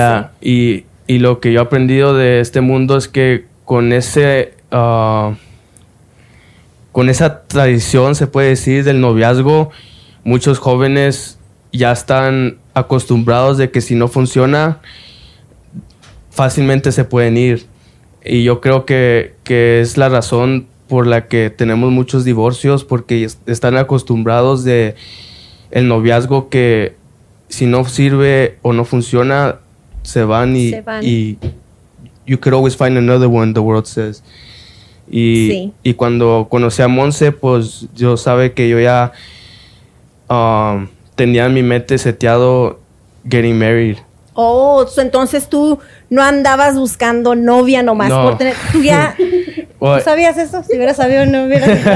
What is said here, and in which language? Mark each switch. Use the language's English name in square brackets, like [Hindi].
[Spanish] Ya, y lo que yo he aprendido de este mundo es que con ese con esa tradición, se puede decir, del noviazgo, muchos jóvenes ya están acostumbrados de que si no funciona, fácilmente se pueden ir. Y yo creo que es la razón por la que tenemos muchos divorcios, porque están acostumbrados de el noviazgo, que si no sirve o no funciona, se van. Y, se van. [English] Y you could always find another one, the world says. [Spanish] Y, sí. Y cuando conocí a Monse, pues yo sabe que yo ya tenía en mi mente seteado [English] getting married. [Spanish] Oh, entonces tú no andabas buscando novia nomás. No. Por tener, tú ya ¿tú sabías eso? Si hubieras sabido, no hubiera sido